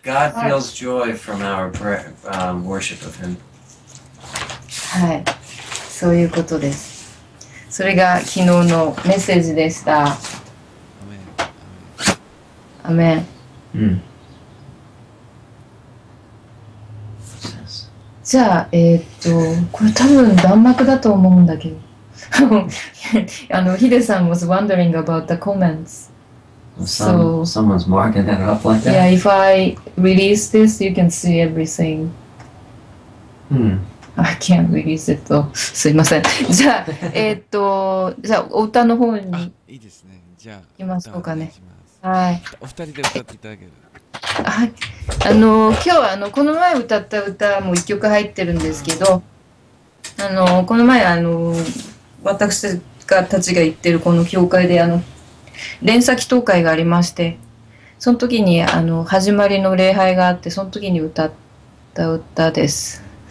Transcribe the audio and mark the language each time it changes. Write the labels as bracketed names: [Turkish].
[English] God feels joy from our worship of Him. [Japanese] はい、そういうことです。それが昨日のメッセージでした。アメン。じゃあ、これ多分弾幕だと思うんだけど。 [English] ヒデさん was wondering about the comments. Someone's marking that up like that. Yeah, if I release this, you can see everything. I can't release it, though. [Japanese] すいません。じゃあ、じゃあ、お歌の方に。いいですね。じゃあ、行きましょうかね。はい。お二人で歌っていただける。はい、今日はこの前歌った歌も1曲入ってるんですけど、この前私たちが行ってるこの教会で連鎖祈祷会がありまして、その時に始まりの礼拝があって、その時に歌った歌です。